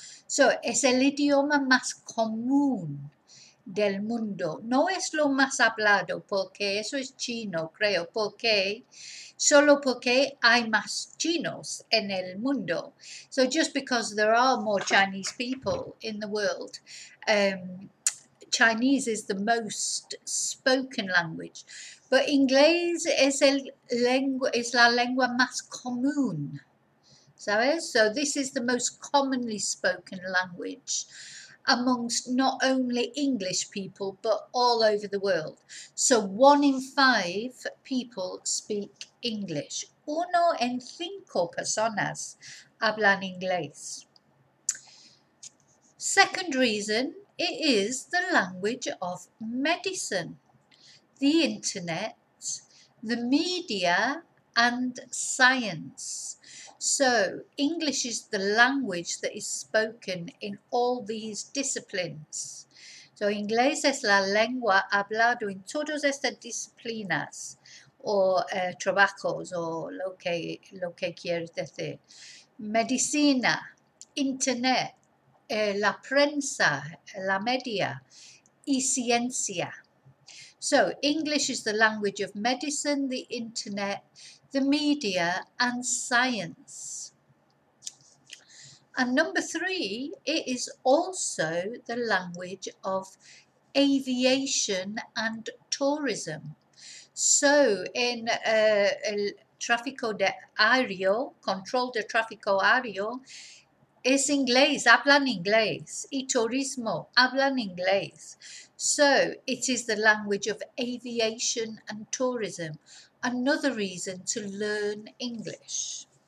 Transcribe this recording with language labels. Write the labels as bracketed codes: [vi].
[es] So, es el idioma más común del mundo. No es lo más hablado, porque eso es chino, creo. Porque, solo porque hay más chinos en el mundo. [en] So, just because there are more Chinese people in the world, Chinese is the most spoken language. [es] But inglés es el lengua, es la lengua más común. ¿Sabes? [en] So this is the most commonly spoken language amongst not only English people, but all over the world. So 1 in 5 people speak English. [es] 1 en 5 personas hablan inglés. [en] Second reason, it is the language of medicine, the internet, the media, and science. So, English is the language that is spoken in all these disciplines. [es] So, inglés es la lengua hablado en todas estas disciplinas o trabajos o lo que quieres decir. Medicina, internet, la prensa, la media y ciencia. [en] So, English is the language of medicine, the internet, the media, and science. And number three, it is also the language of aviation and tourism. [es] So, in el tráfico de aéreo, control de tráfico aéreo, es inglés, hablan inglés, y turismo, hablan inglés. [en] So, it is the language of aviation and tourism, another reason to learn English.